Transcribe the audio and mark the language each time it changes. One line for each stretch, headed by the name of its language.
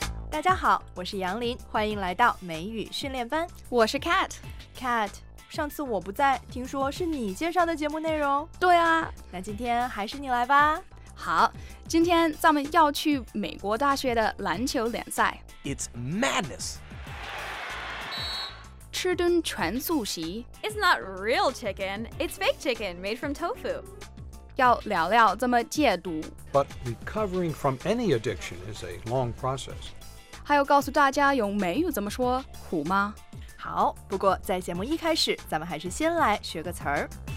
Chinese: 大家好，我是杨林，欢迎来到美语训练班。我是 Cat。 Cat，上次我不在，听说是你介绍的节目内容。对啊，那今天还是你来吧。好，今天咱们要去美国大学的篮球联赛。
English: It's madness.
Chinese: 吃顿全素食。
English: It's not real chicken, it's fake chicken made from tofu.
Chinese: 要聊聊怎么戒毒。
English: But recovering from any addiction is a long process.
Chinese: 还有告诉大家用美语怎么说苦吗？好，不过在节目一开始，咱们还是先来学个词儿。